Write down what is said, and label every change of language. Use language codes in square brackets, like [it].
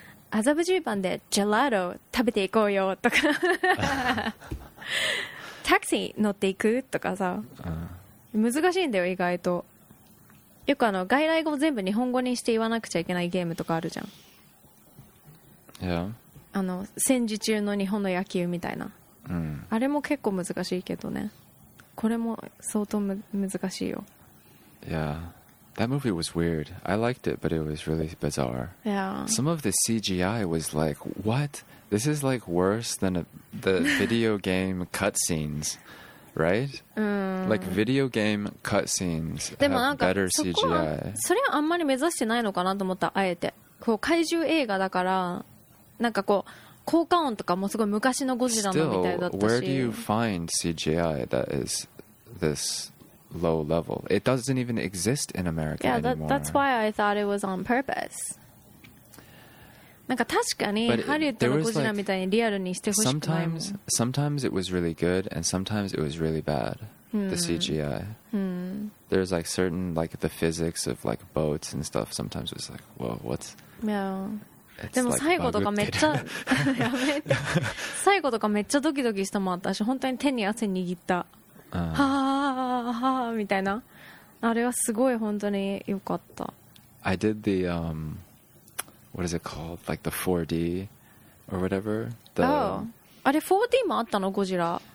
[ja] 麻布十番でジェラート食べていこうよとかタクシー乗っていくとかさ、難しいんだよ意外と。よくあの外来語を全部日本語にして言わなくちゃいけないゲームとかあるじゃん。いや、あの戦時中の日本の野球みたいな、うん、あれも結構難しいけどね、これも相当む難しいよ。 [en] Yeah, that movie was weird. I liked it, but it was really bizarre. Yeah. Some of the CGI was like, what? This is like worse than the video game cutscenes, right? Like video game cutscenes have better CGI. [ja] それはあんまり目指してないのかなと思った、あえて。こう怪獣映画だから、なんかこう効果音とかもすごい昔のゴジラのみたいだったし。 [en] Still, where do you find CGI that is this low level? It doesn't even exist in America anymore. Yeah, that's why I thought it was on purpose. [ja] なんか確かにハリウッドのゴジラみたいにリアルにしてほしくないもん。 [en] Sometimes it was really good and sometimes it was really bad, the CGI. There's like certain like the physics of like boats and stuff. Sometimes it's like, whoa, what's... Yeah. [ja] でも最後とかめっちゃやめて、最後とかめっちゃドキドキしたもん。私本当に手に汗握った、はーはーはーみたいな、あれはすごい本当に良かった。 [en] I did the what is it called, like the 4D or whatever the... [ja] あれ 4D もあったのゴジラ。